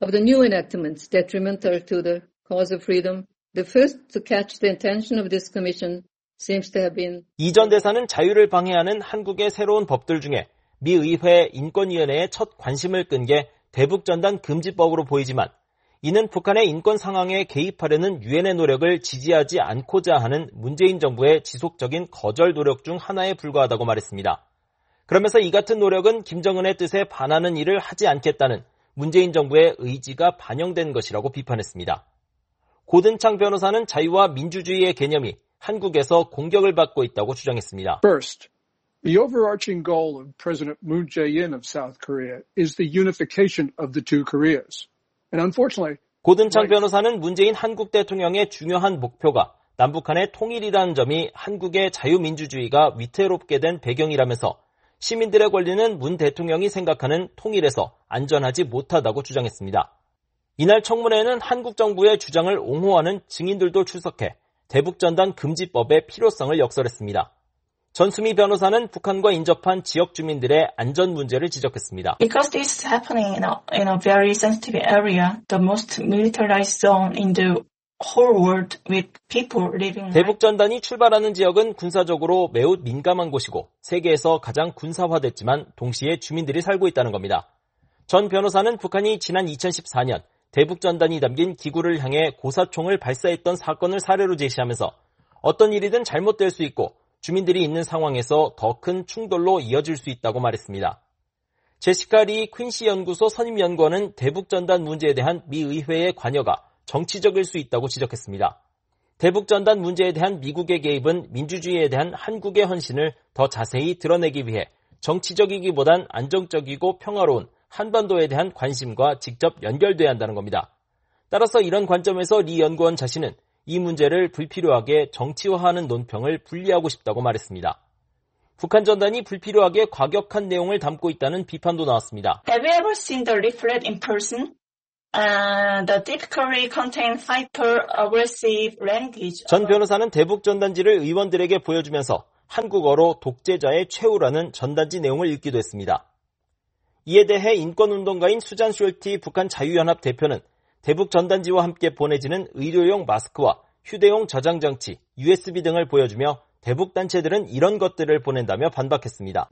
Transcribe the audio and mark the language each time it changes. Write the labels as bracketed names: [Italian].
[English] Of the new enactments detrimental to the cause of freedom, the first to catch the intention of this commission seems to have been [Korean] 이전 대사는 자유를 방해하는 한국의 새로운 법들 중에 미 의회 인권위원회의 첫 관심을 끈 게 대북전단 금지법으로 보이지만 이는 북한의 인권 상황에 개입하려는 유엔의 노력을 지지하지 않고자 하는 문재인 정부의 지속적인 거절 노력 중 하나에 불과하다고 말했습니다. 그러면서 이 같은 노력은 김정은의 뜻에 반하는 일을 하지 않겠다는 문재인 정부의 의지가 반영된 것이라고 비판했습니다. 고든창 변호사는 자유와 민주주의의 개념이 한국에서 공격을 받고 있다고 주장했습니다. [English] First. The overarching goal of President Moon Jae-in of South Korea is the unification of the two Koreas. And unfortunately, [Korean] 고든창 변호사는 문재인 한국 대통령의 중요한 목표가 남북한의 통일이라는 점이 한국의 자유민주주의가 위태롭게 된 배경이라면서 시민들의 권리는 문 대통령이 생각하는 통일에서 안전하지 못하다고 주장했습니다. 이날 청문회는 한국 정부의 주장을 옹호하는 증인들도 출석해 대북전단 금지법의 필요성을 역설했습니다. 전수미 변호사는 북한과 인접한 지역 주민들의 안전 문제를 지적했습니다. Because this is happening in a very sensitive area, the most militarized zone in the whole world with people living. 대북 전단이 출발하는 지역은 군사적으로 매우 민감한 곳이고 세계에서 가장 군사화됐지만 동시에 주민들이 살고 있다는 겁니다. 전 변호사는 북한이 지난 2014년 대북 전단이 담긴 기구를 향해 고사총을 발사했던 사건을 사례로 제시하면서 어떤 일이든 잘못될 수 있고 주민들이 있는 상황에서 더 큰 충돌로 이어질 수 있다고 말했습니다. 제시카 리 퀸시 연구소 선임 연구원은 대북 전단 문제에 대한 미 의회의 관여가 정치적일 수 있다고 지적했습니다. 대북 전단 문제에 대한 미국의 개입은 민주주의에 대한 한국의 헌신을 더 자세히 드러내기 위해 정치적이기보단 안정적이고 평화로운 한반도에 대한 관심과 직접 연결돼야 한다는 겁니다. 따라서 이런 관점에서 리 연구원 자신은 이 문제를 불필요하게 정치화하는 논평을 분리하고 싶다고 말했습니다. 북한 전단이 불필요하게 과격한 내용을 담고 있다는 비판도 나왔습니다. [English] Have you ever seen the leaflet in person? The typically contains hyper-aggressive language. [Korean] 전 변호사는 대북 전단지를 의원들에게 보여주면서 한국어로 독재자의 최후라는 전단지 내용을 읽기도 했습니다. 이에 대해 인권운동가인 수잔 숄티 북한 자유연합 대표는 대북 전단지와 함께 보내지는 의료용 마스크와 휴대용 저장장치, USB 등을 보여주며 대북 단체들은 이런 것들을 보낸다며 반박했습니다.